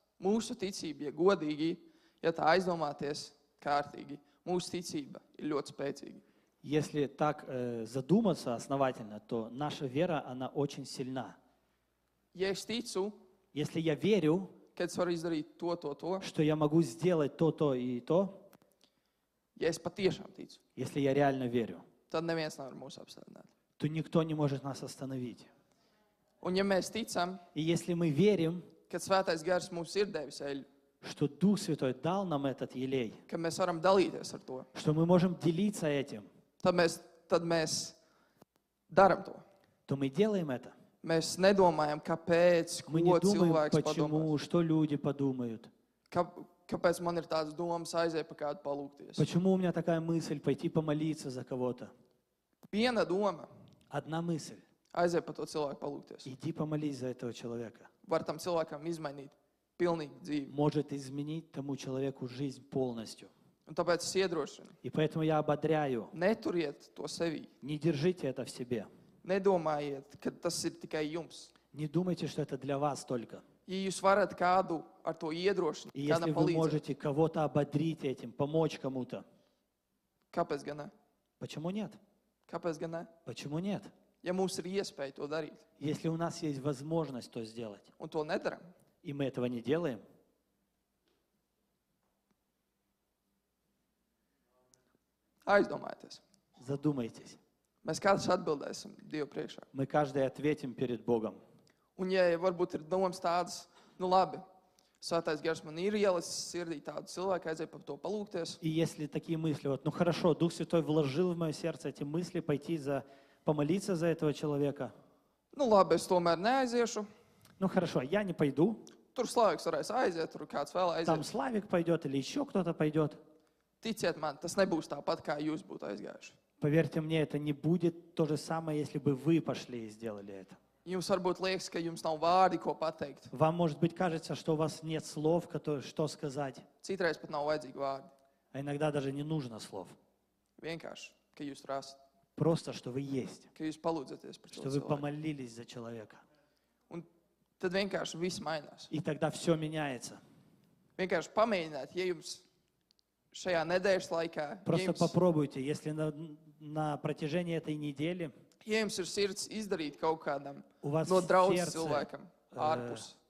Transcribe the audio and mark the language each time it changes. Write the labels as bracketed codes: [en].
[lv] Mūsu ticība, ja godīgi, ja tā aizdomāties kārtīgi, mūsu ticība ir ļoti spēcīga. [ru] Если так задуматься основательно, то наша вера, она очень сильна. [lv] Ja es ticu, [ru] если я верю, [lv] ka es varu izdarīt to, [ru] что я могу сделать то и то, [lv] ja es patiešām ticu, [ru] если я реально верю, [lv] tad neviens nevar mūs apstādināt. [ru] То никто не может нас остановить. [lv] Un ja mēs ticam, [ru] и если мы верим, [lv] kad Svētais Gars mums ir devis eļu. [ru] Что Дух Святой дал нам этот елей. [lv] Ka mēs varam dalīties ar to. [ru] Что мы можем делиться этим. [lv] Tad mēs darām to. [ru] То мы делаем это. [lv] Mēs nedomājam, kāpēc, [ru] мы [lv] ko [ru] не думаем, [lv] cilvēks [ru] почему, [lv] padomās. [ru] Что люди подумают. [lv] Kāpēc man ir tādas domas aizēt pa kādu palūkties. [ru] Почему у меня такая мысль пойти помолиться за кого-то. [lv] Viena doma. [ru] Одна мысль. [lv] Aizēt pa to cilvēku palūkties. [ru] Иди помолись за этого человека. [lv] Var tam cilvēkam izmainīt pilnīgi dzīvi. [ru] Можете изменить тому человеку жизнь полностью. [lv] Un tāpēc es iedrošinu. [ru] И поэтому я ободряю. [lv] Neturiet to sevī. [ru] Не держите это в себе. [lv] Nedomājiet, ka tas ir tikai jums. [ru] Не думайте, что это для вас только. [lv] Ja jūs varat kādu ar to iedrošināt, kādam palīdzēt. [ru] Если вы можете кого-то ободрить этим, помочь кому-то. [lv] Kāpēc gan ne? [ru] Почему нет? [lv] Kāpēc gan ne? [ru] Почему нет? [lv] Ja mums ir iespēja to darīt. [ru] Если у нас есть возможность то сделать. [lv] Un to nedaram. [ru] И мы этого не делаем. [lv] Aizdomājieties. [ru] Задумайтесь. [lv] Mēs kāds atbildēsim Dievu priekšā. [ru] Мы каждый ответим перед Богом. [lv] Un ja varbūt ir domas tādas, nu labi, Svētais Gars man ir ielis sirdī tādu cilvēku, aiziet par to palūkties. [ru] И если такие мысли, вот, ну хорошо, Дух Святой вложил в мое сердце эти мысли пойти за, помолиться за этого человека. [lv] Nu labi, es tomēr neaiziešu. [ru] Ну хорошо, я не пойду. [lv] Tur Slāviks varēs aiziet, tur kāds vēl aiziet. [ru] Там Slāvik пойдет или еще кто-то пойдет. [lv] Ticiet man, tas nebūs tāpat, kā jūs būtu aizgājuši. [ru] Поверьте мне, это не будет то же самое, если бы вы пошли и сделали это. [lv] Jums varbūt liekas, ka jums nav vārdi, ko pateikt. [ru] Вам может быть кажется, что у вас нет слов, что сказать. [lv] Citreiz pat nav vajadzīgi vārdi. [ru] А иногда даже не нужно слов. [lv] Vienkārši, ka jūs tur esat. [ru] Просто, что вы есть. [lv] Ka jūs palūdzaties par [ru] человека. Что вы помолились за человека. [lv] Un tad vienkārši viss mainās. [ru] И тогда все меняется. [lv] Vienkārši pamēģināt, ja jums šajā nedēļas laikā. [ru] Просто попробуйте, если на протяжении этой недели. [lv] Ja jums ir sirds izdarīt kaut kādam no draudzes cilvēkam ārpus.